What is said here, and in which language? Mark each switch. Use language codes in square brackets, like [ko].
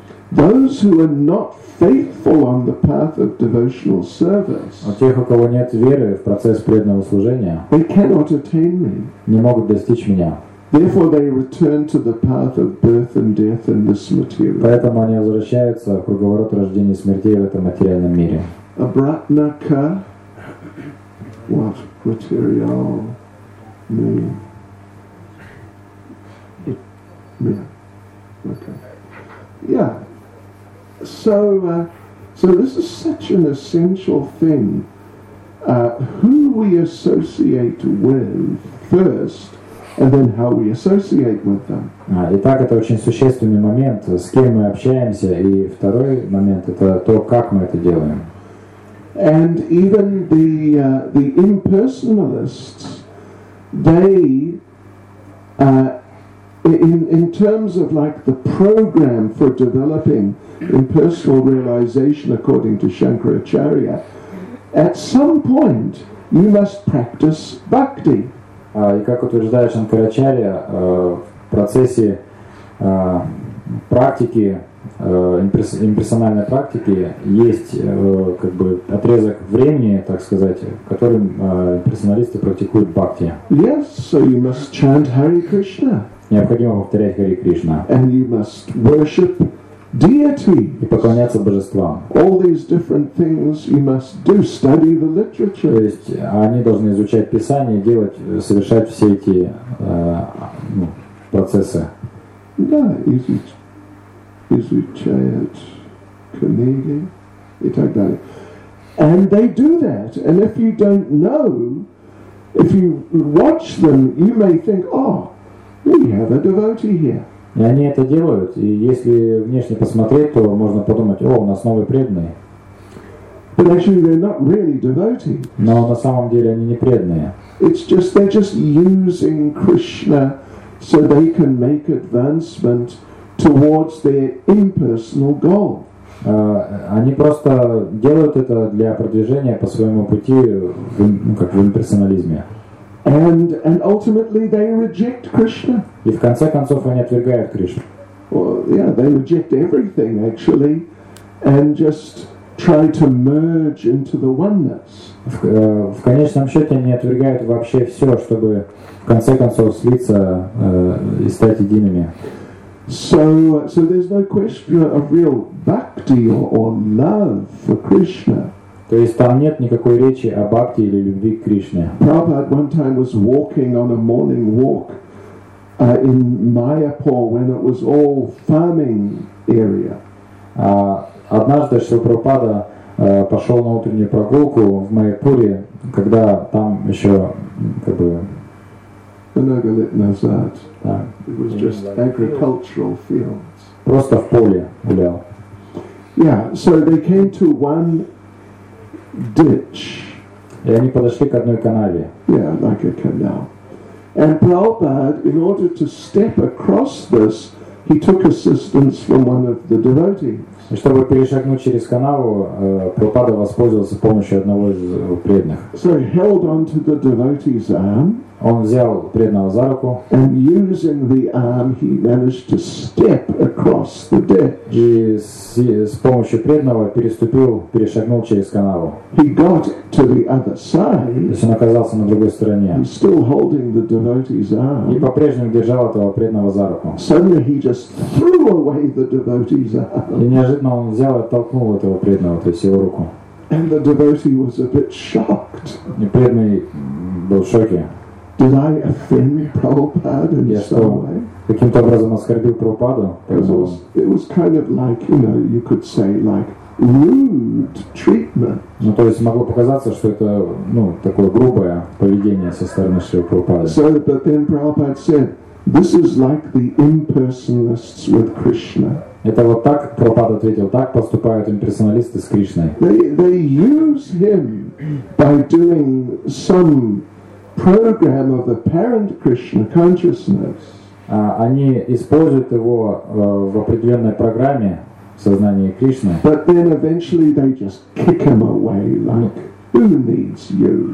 [en] Those who are not faithful on the path of devotional service. [ru] У тех, у кого нет веры в процесс преданного служения. [en] They cannot attain me. [ru] Не могут достичь меня. [en] Therefore, they return to the path of birth and death in this material. [ru] Поэтому они возвращаются к круговороту рождения и смерти в этом материальном мире. Обратно-ка. [en] What material mean? Yeah. Okay. Yeah. So this is such an essential thing. Who we associate with first. And then how we associate with them. [ru] Итак, это очень существенный момент, с кем мы общаемся, и второй момент это то, как мы это делаем. [en] And even the impersonalists, they in terms of like the program for developing impersonal realization according to Shankaracharya, at some point you must practice bhakti. [ru] И как утверждает Шанкарачарья, в процессе практики, имперсональной практики, есть как бы отрезок времени, так сказать, которым имперсоналисты практикуют бхакти. [en] Yes, so you must chant Hare Krishna. [ru] Необходимо повторять Hare Krishna. [en] And you must worship deity. [ru] И поклоняться божествам. [en] All these different things you must do, study the literature. [ru] То есть они должны изучать Писание, делать, совершать все эти процессы. Да, изучают книги и так далее. [en] And they do that. And if you don't know, if you watch them, you may think, oh, we have a devotee here. [ru] И они это делают, и если внешне посмотреть, то можно подумать, о, у нас новые преданные. [en] But actually they're not really devotees. [ru] Но на самом деле они не преданные. [en] It's just they're just using Krishna so they can make advancement towards their impersonal goal. [ru] Они просто делают это для продвижения по своему пути в имперсонализме. [en] And ultimately they reject Krishna. [ru] И в конце концов они отвергают Кришну. [en] Well, yeah, they reject everything actually, and just try to merge into the oneness. [ru] В конечном счете они отвергают вообще все, чтобы в конце концов слиться и стать едиными. [en] So there's no question of real bhakti or love for Krishna. [ru] То есть там нет никакой речи о бхакти или любви к Кришне. [en] Prabhupada one time was walking on a morning walk in Mayapur when it was all farming area. [ru] Однажды Шрила Прабхупада пошел на утреннюю прогулку в Майяпуре, когда там еще как бы много лет назад. [en] It was just agricultural fields. [ru] Просто в поле гулял. [en] Yeah, so they came to one ditch. [ru] И они подошли к одной канаве. [en] Yeah, like a canal. And Prabhupada, in order to step across this, he took assistance from one of the devotees. [ru] Чтобы перешагнуть через канаву, Прабхупада воспользовался помощью одного из преданных. [en] So he held on to the devotee's arm. [ru] Он взял преданного за руку. [en] And using the arm, he managed to step across the ditch. [ru] И с помощью преданного переступил, перешагнул через канаву. [en] He got to the other side. [ru] То есть он оказался на другой стороне. [en] He's still holding the devotee's arm. [ru] И по-прежнему держал этого преданного за руку. [en] Suddenly he just threw away the devotee's arm. [ru] И неожиданно он взял и толкнул этого преданного, то есть его руку. [en] And the devotee was a bit shocked. [ru] И преданный был в шоке. [en] Did I offend Prabhupada in some way? [ru] Каким-то образом оскорбил Прабхупаду? [en] It was kind of like, you know, you could say like rude treatment. [ru] Ну то есть могло показаться, что это, ну, такое грубое поведение со стороны Шрилы Прабхупады. [en] So, but then Prabhupada said, this is like the impersonalists with Krishna. [ru] Это вот так Прабхупада ответил, так поступают имперсоналисты с Кришной. [en] They use him by doing some program of apparent Krishna consciousness. [ru] Они используют его в определенной программе сознания Кришны. [en] But then eventually they just kick him away, like who needs you?